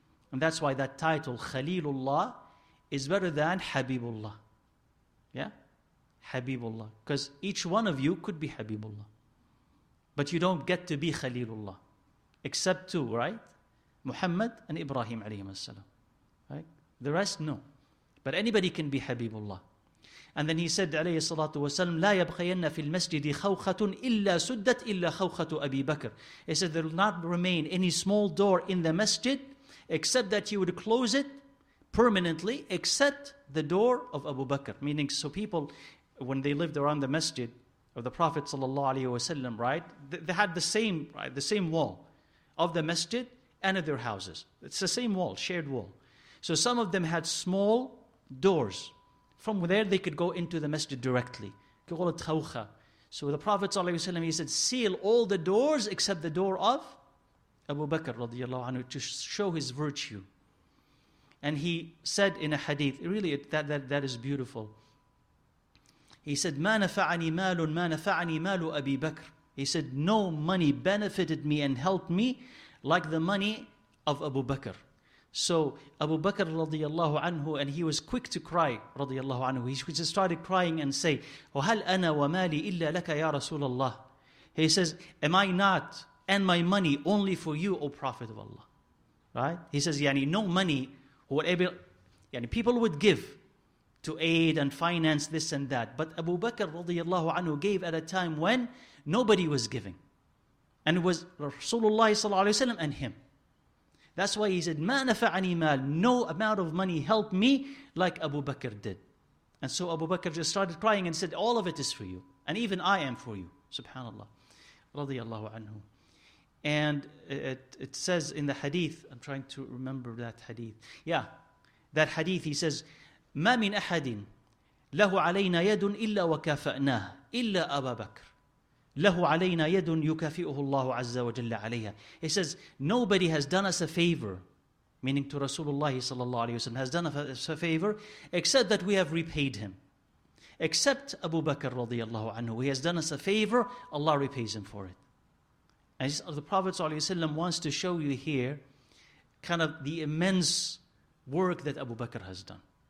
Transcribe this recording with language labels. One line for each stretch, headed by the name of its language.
English: And that's why that title, Khalilullah, is better than Habibullah. Yeah? Habibullah. Because each one of you could be Habibullah. But you don't get to be Khalilullah. Except two, right? Muhammad and Ibrahim alayhim as-salam. Right? The rest, no. But anybody can be Habibullah. And then he said,
Arabic: alayhi salatu wasalam, لا يبقين في المسجد خوخة إلا سدت إلا خوخة أبي بكر.
English: He said, there will not remain any small door in the masjid except that you would close it permanently, except the door of Abu Bakr. Meaning, so people, when they lived around the masjid of the Prophet sallallahu alaihi wasallam, right, they had the same, right, the same wall of the masjid and of their houses. It's the same wall, shared wall. So some of them had small doors. From there, they could go into the masjid directly. You call it khawkha. So the Prophet sallallahu alaihi wasallam, he said, seal all the doors except the door of Abu Bakr radiallahu anhu, to show his virtue. And he said in a hadith, really that is beautiful. He said,
Arabic: مَا نَفَعَنِي مَالٌ مَا نَفَعَنِي مَالُ أَبِي بَكْرٍ.
English: He said, no money benefited me and helped me like the money of Abu Bakr. So Abu Bakr radiallahu anhu, and he was quick to cry radiallahu anhu. He just started crying and say,
Arabic: وَهَلْ أَنَا وَمَالِي إِلَّا لَكَ يَا رَسُولَ اللَّهِ.
English: He says, am I not and my money only for you, O Prophet of Allah? Right? He says, yani, no money, whatever, yani, people would give to aid and finance this and that. But Abu Bakr radiallahu anhu gave at a time when nobody was giving. And it was Rasulullah sallallahu alayhi wa sallam and him. That's why he said,
Arabic: ما نفعني مال,
English: no amount of money helped me like Abu Bakr did. And so Abu Bakr just started crying and said, all of it is for you. And even I am for you. Subhanallah. Radiallahu anhu. And it says in the hadith, I'm trying to remember that hadith. Yeah, that hadith, he says,
Arabic: مَا مِنْ أَحَدٍ لَهُ عَلَيْنَا يَدٌ إِلَّا وَكَافَأْنَاهُ إِلَّا أَبَا بَكْرٍ لَهُ عَلَيْنَا يَدٌ يُكَافِئُهُ اللَّهُ عَزَّ وَجَلَّ عَلَيْهَا.
English: He says, nobody has done us a favor, meaning to Rasulullah sallallahu alayhi wa sallam, has done us a favor, except that we have repaid him. Except Abu Bakr radiallahu anhu, he has done us a favor, Allah repays him for it. As the Prophet ﷺ wants to show you here kind of the immense work that Abu Bakr has done.